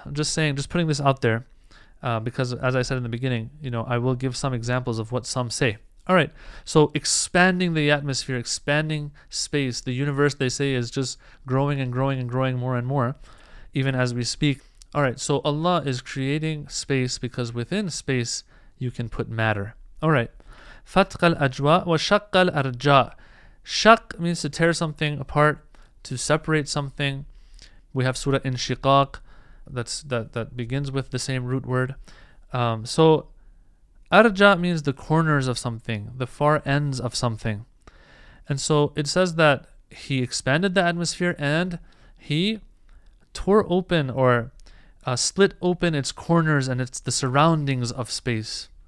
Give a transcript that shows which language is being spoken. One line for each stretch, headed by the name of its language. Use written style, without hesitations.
English: I'm just saying, just putting this out there, because as I said in the beginning, you know, I will give some examples of what some say. All right, so expanding the atmosphere, expanding space, the universe, they say, is just growing and growing and growing more and more, even as we speak. All right, so Allah is creating space because within space you can put matter. All right,
Arabic: فتق الأجواء وشق الأرجاء.
English: Shaq means to tear something apart, to separate something. We have Surah Inshiqaq that begins with the same root word. So arja means the corners of something, the far ends of something. And so it says that he expanded the atmosphere and he tore open or split open its corners and its the surroundings of space.